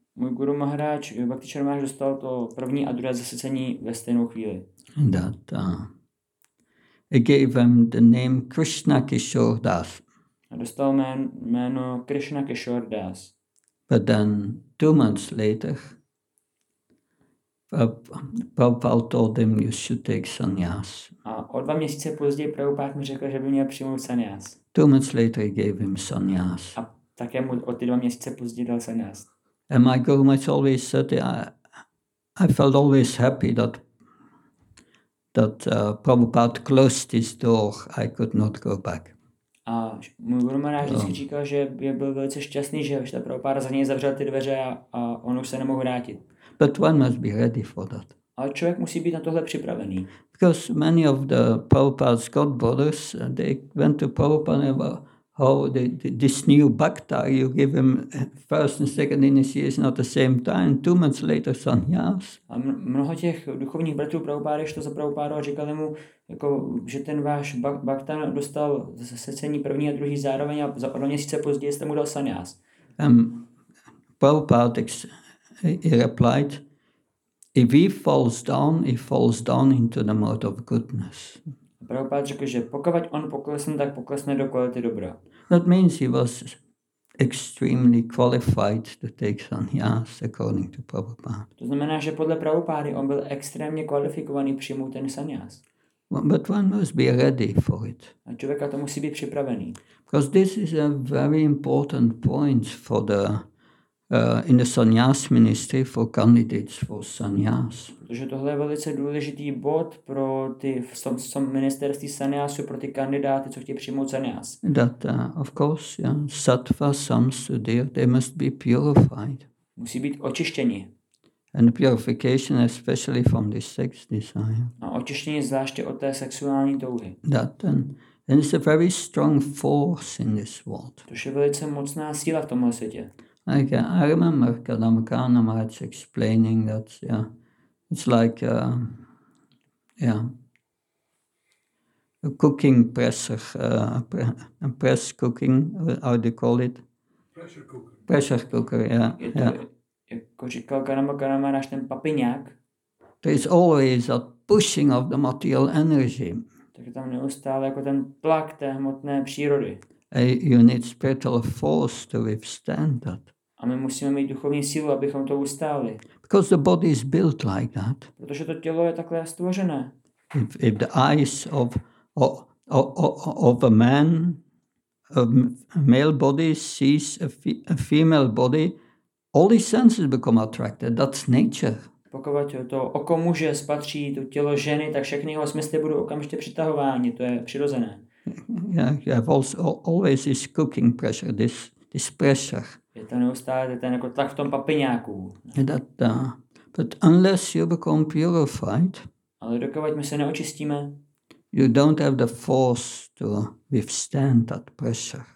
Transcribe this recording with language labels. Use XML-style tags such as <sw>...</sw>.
<cs>Můj guru Maharaj Bhakti Charamaj dostal to první a druhé zasvěcení ve stejnou chvíli.</cs> <en>That I gave him the name Krishna Kishor Das.</en> <cs>A dostal jméno Krishna Kishor Das.</cs> <en>But then 2 months later, Prabhupada told him you should take sannyas.</en> <cs>A o 2 měsíce později Prabhupada mi řekl, že by měl přijmout sannyas.</cs> <en>2 months later he gave him sannyas.</en> <cs>A také mu o ty 2 měsíce později dal sannyas.</cs> <en>And my Guru Maharaj always said, I felt always happy that Prabhupada closed his door. I could not go back.</en> <cs>A můj Guru Maharaj vždycky říkal, že byl velice šťastný, že ta Prabhupada za něj zavřel ty dveře a on už se nemohl vrátit.</cs> <en>But one must be ready for that.</en> <cs>Ale člověk musí být na tohle připravený.</cs> <en>Because many of the Prabhupada's god brothers, they went to Prabhupada and were, oh, this new bhakta, you give him first and second initiation at the same time, 2 months later sannyas.</en> <cs>A mnoho těch duchovních bratrů Prabhupáda šlo za Prabhupáda a říkali mu, jako, že ten váš bhakta dostal zasvěcení první a druhý zároveň a za 2 měsíce později jste mu dal sannyas.</cs> <en>Prabhupáda he replied, if he falls down into the mode of goodness.</en> <cs>Prabhupáda řekl, že pokud on poklesne, tak poklesne do kvality dobra.</cs> <en>That means he was extremely qualified to take sannyas according to Prabhupada.</en> <cs>To znamená, že podle Prabhupády on byl extrémně kvalifikovaný přijmout ten sannyas.</cs> <en>But one must be ready for it.</en> <cs>A člověka to musí být připravený.</cs> <en>Because this is a very important point for the in the sannyas ministry for candidates for sannyas.</en> <cs>Protože tohle je velice důležitý bod pro ty v tom ministerství sannyasu pro ty kandidáty, co chtějí přijmout sannyas.</cs> <en>That of course, yeah, sattva samsudir, they must be purified.</en> <cs>Musí být očištěni.</cs> <en>And purification especially from the sex desire.</en> <cs>A očištění zvláště od té sexuální touhy.</cs> <en>That and it's a very strong force in this world.</en> <cs>To je velice mocná síla v tomhle světě.</cs> <en>Like I remember Kadam Kana Maharaj explaining that yeah, it's like a cooking presser, press cooking, how do you call it? Pressure cooker. Pressure cooker, yeah.</en> <cs>Jako říkal Karama Maharaj, ten papiňák.</cs> <en>There is always a pushing of the material energy.</en> <cs>Takže tam neustále jako ten tlak té hmotné přírody.</cs> <en>A you need spiritual force to withstand that.</en> <cs>A my musíme mít duchovní sílu, abychom to ustáli.</cs> <en>Because the body is built like that.</en> <cs>Protože to tělo je takhle stvořené.</cs> <en>If the eyes of a man, a male body sees a female body, all these senses become attracted. That's nature.</en> <cs>Pokud to oko muže spatří to tělo ženy, tak všechny jeho smysly budou okamžitě přitahovány. To je přirozené.</cs> <en>Yeah, you have always this cooking pressure, this pressure.</en> <cs>Je to neustále ten jako tlak v tom papiňáku.</cs> <en>But unless you become purified,</en> <cs>ale dokud my se neočistíme,</cs> <en>you don't have the force to withstand that pressure.</en>